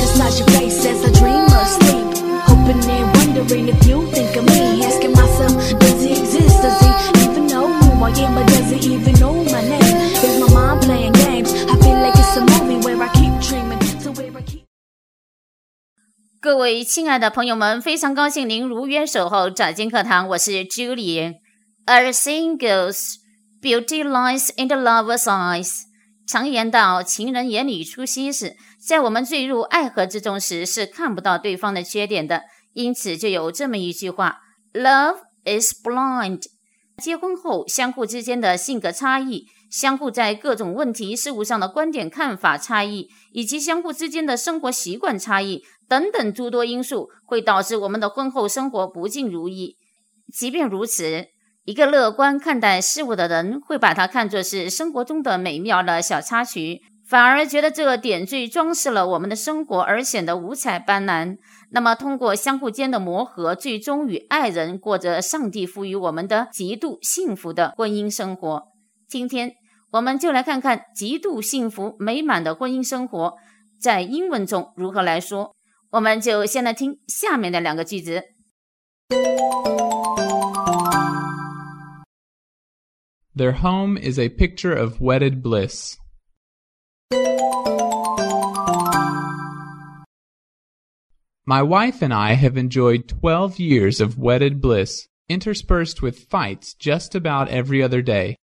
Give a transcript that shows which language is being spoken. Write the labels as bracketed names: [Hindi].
[English] hide your face as I dream or sleep. Hoping and wondering if you think of me. Asking myself, does he exist? Does he even know who I am? Or does he even know my name? Is my mind playing games? I feel like it's a movie where I keep dreaming. So where I keep. [Chinese] 各位亲爱的朋友们，非常高兴您如约守候掌经课堂，我是 Julie。 [English] Our singles, beauty lies in the lover's eyes. [Chinese] 常言道，情人眼里出西施，在我们坠入爱河之中时，是看不到对方的缺点的。因此就有这么一句话， [English] Love is blind. [Chinese] 结婚后，相互之间的性格差异，相互在各种问题事物上的观点看法差异，以及相互之间的生活习惯差异，等等诸多因素，会导致我们的婚后生活不尽如意。即便如此，一个乐观看待事物的人会把它看作是生活中的美妙的小插曲，反而觉得这个点缀装饰了我们的生活而显得五彩斑斓。那么通过相互间的磨合，最终与爱人过着上帝赋予我们的极度幸福的婚姻生活。今天我们就来看看极度幸福美满的婚姻生活在英文中如何来说。我们就先来听下面的两个句子。 [English] Their home is a picture of wedded bliss. My wife and I have enjoyed 12 years of wedded bliss, interspersed with fights just about every other day.